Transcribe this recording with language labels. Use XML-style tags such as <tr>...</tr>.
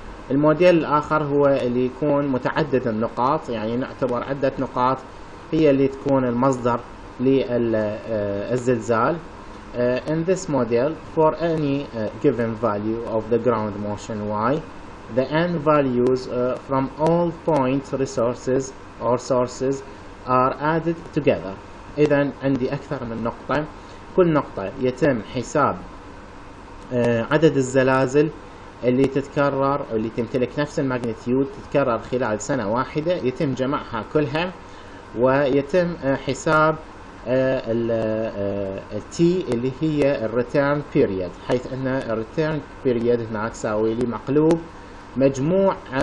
<ar>الموديل الاخر هو اللي يكون متعدد النقاط، يعني نعتبر عده نقاط هي اللي تكون المصدر للزلزال.</ar> <en>In this model, for any given value of the ground motion y, the n values from all point resources or sources are added together.</en> <ar>إذا عندي أكثر من نقطة، كل نقطة يتم حساب عدد الزلازل اللي تتكرر اللي تمتلك نفس الماجنتيود تتكرر خلال سنة واحدة، يتم جمعها كلها ويتم حساب التي اللي هي الريتيرن بيريود، حيث ان الريتيرن بيريود هنا تساوي لي مقلوب مجموع</ar>